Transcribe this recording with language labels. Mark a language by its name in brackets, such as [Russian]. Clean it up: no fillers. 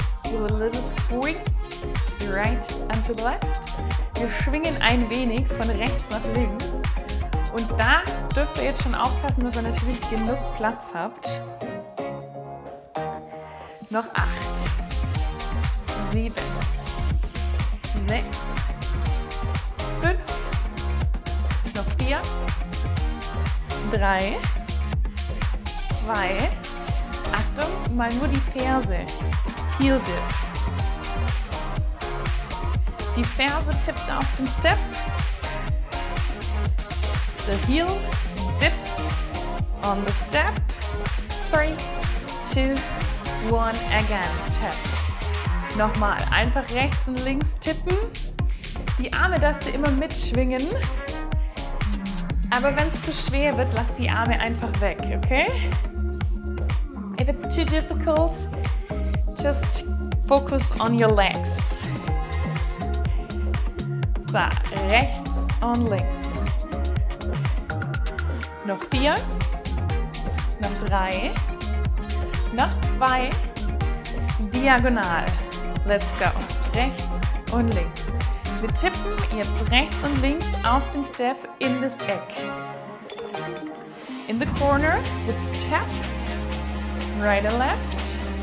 [English] Do a little swing to the right and to the left. [German] Wir schwingen ein wenig von rechts nach links. Und da dürft ihr jetzt schon aufpassen, dass ihr natürlich genug Platz habt. Noch 8, 7, 6. 5, noch 4, 3, 2, Achtung, mal nur die Ferse, Heel Dip. Die Ferse tippt auf den Step, [English] the heel dip on the step, 3, 2, 1, again, tap. [German] Nochmal, einfach rechts und links tippen. Die Arme darfst du immer mitschwingen, aber wenn es zu schwer wird, lass die Arme einfach weg, okay? [English] If it's too difficult, just focus on your legs. [German] So, rechts und links. Noch 4, noch 3, noch 2, diagonal. [English] Let's go. [German] Rechts und links. Wir tippen jetzt rechts und links auf den Step in das Eck. [English] In the corner, with tap, right and left.